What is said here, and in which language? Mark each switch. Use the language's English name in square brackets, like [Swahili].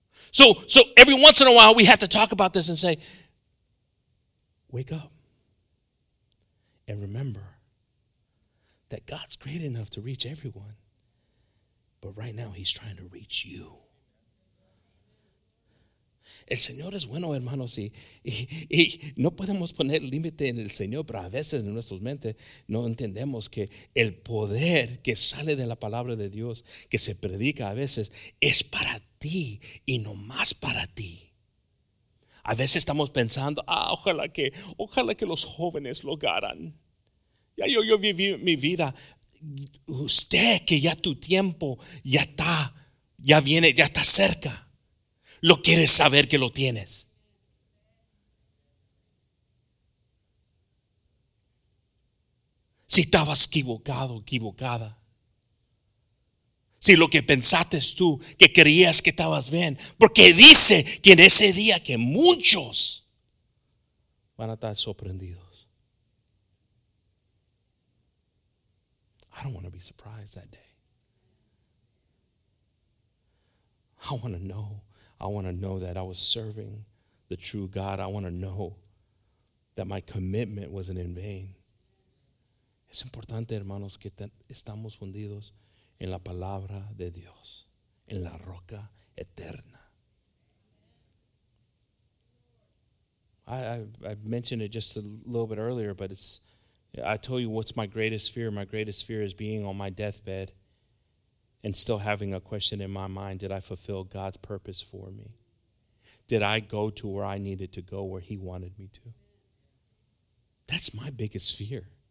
[English] So every once in a while, we have to talk about this and say, wake up and remember that God's great enough to reach everyone. But right now, he's trying to reach you. [Spanish] El Señor es bueno, hermanos, y no podemos poner límite en el Señor, pero a veces en nuestras mentes no entendemos que el poder que sale de la palabra de Dios, que se predica a veces, es para ti y no más para ti. A veces estamos pensando, ojalá que los jóvenes lo hagan. Ya yo viví mi vida. Usted, que ya tu tiempo ya está, ya viene, ya está cerca. Lo quieres saber que lo tienes. Si estabas equivocado, equivocada. Si lo que pensaste es tú, que creías que estabas bien. Porque dice que en ese día que muchos van a estar sorprendidos. [English] I don't want to be surprised that day. I want to know that I was serving the true God. I want to know that my commitment wasn't in vain. [Spanish] Es importante, hermanos, que estamos fundidos en la palabra de Dios, en la roca eterna. [English] I mentioned it just a little bit earlier, but I told you what's my greatest fear. My greatest fear is being on my deathbed and still having a question in my mind: did I fulfill God's purpose for me? Did I go to where I needed to go, where he wanted me to? That's my biggest fear.